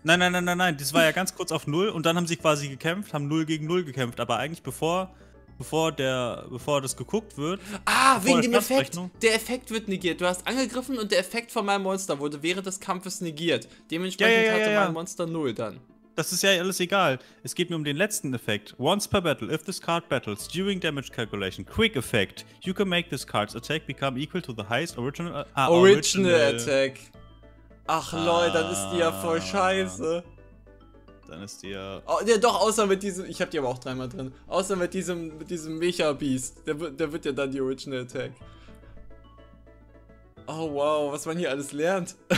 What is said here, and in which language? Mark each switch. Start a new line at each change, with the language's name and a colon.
German: Nein, das war ja ganz kurz auf 0 und dann haben sie quasi gekämpft, haben 0 gegen 0 gekämpft, aber eigentlich bevor das geguckt wird. Ah, wegen dem Effekt. Der Effekt wird negiert. Du hast angegriffen und der Effekt von meinem Monster wurde während des Kampfes negiert. Dementsprechend hatte mein Monster 0 dann. Das ist ja alles egal. Es geht mir um den letzten Effekt.
English: Once per battle, if this card battles during damage calculation, quick effect, you can make this card's attack become equal to the highest original. Original attack.
German: Ach lol, dann ist die ja voll scheiße. Dann ist die ja. Oh, ja, doch, außer mit diesem. Ich hab die aber auch dreimal drin. Außer mit diesem Mecha-Beast. Der wird ja dann die Original Attack. Oh wow, was man hier alles lernt.